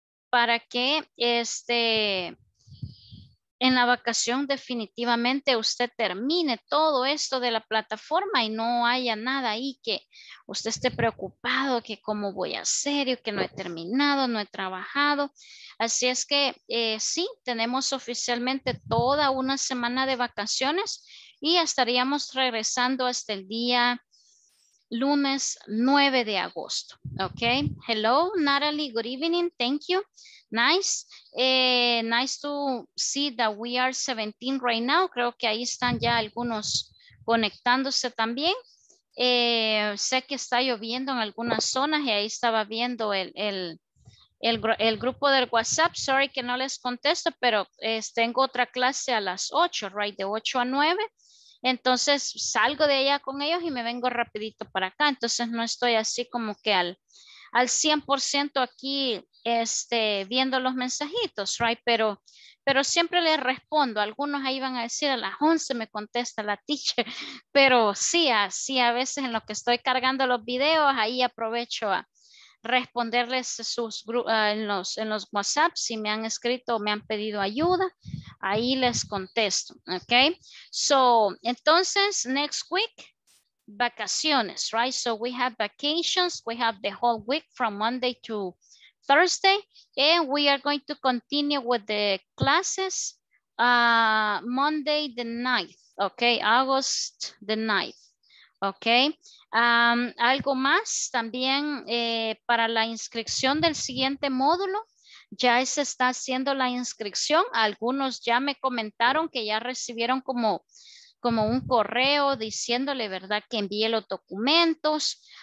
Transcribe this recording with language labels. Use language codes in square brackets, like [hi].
[es] Para que este... En la vacación definitivamente usted termine todo esto de la plataforma y no haya nada ahí que usted esté preocupado, que cómo voy a hacer, que no he terminado, no he trabajado. Así es que sí, tenemos oficialmente toda una semana de vacaciones y estaríamos regresando hasta el día lunes 9 de agosto. [en] Ok, hello Natalie, good evening, thank you. Nice, nice to see that we are 17 right now. [es] Creo que ahí están ya algunos conectándose también. Sé que está lloviendo en algunas zonas y ahí estaba viendo el grupo del WhatsApp. Sorry que no les contesto, pero tengo otra clase a las 8, right, de 8 a 9. Entonces salgo de allá con ellos y me vengo rapidito para acá. Entonces no estoy así como que al 100% aquí viendo los mensajitos, right? Pero siempre les respondo. Algunos ahí van a decir a las 11 me contesta la teacher, pero sí, así a veces en lo que estoy cargando los videos, ahí aprovecho a responderles sus en los WhatsApp. Si me han escrito o me han pedido ayuda, ahí les contesto, ok. So, entonces, [en] next week, [es] vacaciones, right? [en] So we have vacations, we have the whole week from Monday to Thursday, and we are going to continue with the classes Monday the 9th, okay, August the 9th, okay. [es] Algo más también para la inscripción del siguiente módulo, ya se está haciendo la inscripción. Algunos ya me comentaron que ya recibieron como un correo diciéndole, ¿verdad?, que envíe los documentos.